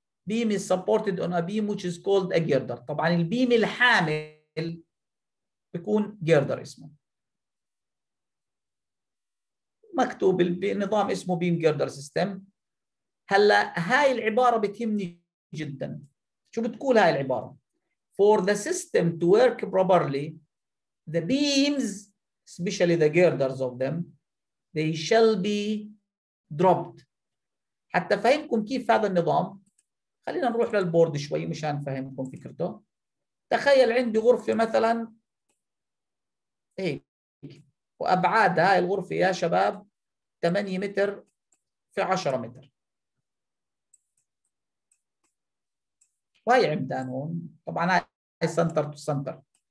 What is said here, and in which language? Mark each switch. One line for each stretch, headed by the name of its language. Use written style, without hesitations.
English: Beam is supported on a beam which is called a girder.
Arabic: طبعا البيم الحامل بيكون girder اسمه. مكتوب النظام اسمه beam girder system. هلا هاي العبارة بتهمني جدا. شو بتقول هاي العبارة؟
English: For the system to work properly, the beams, especially the girders of them, they shall be dropped.
Arabic: حتى فهمكم كيف هذا النظام، خلينا نروح للبورد شوي مشان فهمكم فكرته. تخيل عندي غرفة مثلا هيك، وأبعاد هاي الغرفة يا شباب 8 متر في 10 متر، وهي عمدان هون طبعا، هاي سنتر تو سنتر.